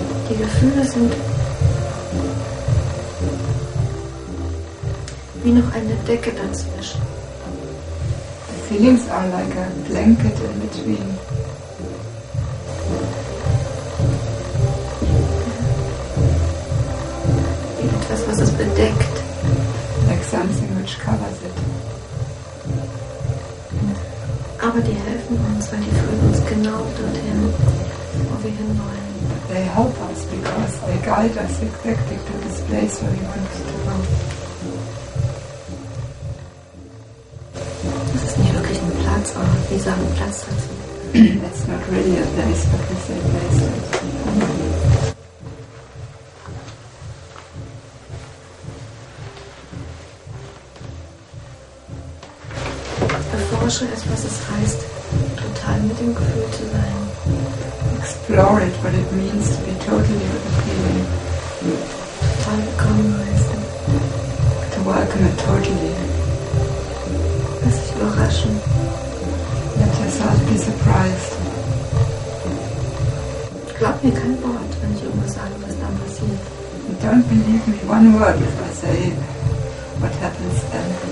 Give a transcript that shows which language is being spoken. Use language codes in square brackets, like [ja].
[de] Die Gefühle sind wie noch eine Decke dazwischen. [en] The feelings are like a blanket in between. [de] Wie etwas, was es bedeckt. [en] Like something which covers it. [de] Aber die helfen uns, weil die führen uns genau dorthin, wo wir hinwollen. [en] They help us because they guide us exactly to this place where we want to go. [de] Das ist nicht wirklich ein Platz, aber wir sagen Platz dazu. [en] It's not really a place, but we say place. [de] Ist, was es heißt, total mit dem Gefühl zu sein. [en] Explore it, what it means to be totally with the feeling. [de] Total willkommen heißen. [en] To welcome it totally. [de] Lass dich überraschen. [en] Let yourself be surprised. [de] Glaub mir kein Wort, wenn ich irgendwas sage, was dann passiert. [en] And don't believe me one word if I say what happens then.